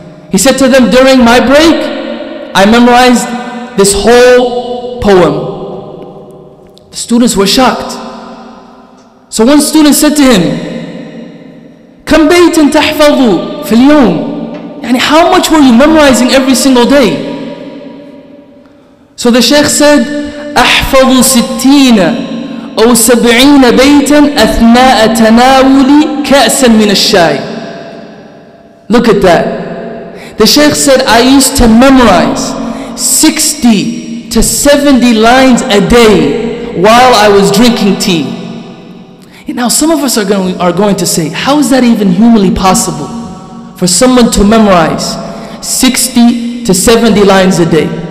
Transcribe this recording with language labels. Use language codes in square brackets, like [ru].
[en] He said to them, "During my break, I memorized this whole poem." The students were shocked. So one student said to him, [ar] "Kam baytin tahfazu fil yawm?" [en] And how much were you memorizing every single day? So the Shaykh said, [ar] "أحفظ 60 أو 70 بيتا أثناء تناولي كأسا من الشاي." [en] Look at that. The Shaykh said, "I used to memorize 60 to 70 lines a day while I was drinking tea." And now some of us are going to say, how is that even humanly possible? For someone to memorize 60 to 70 lines a day.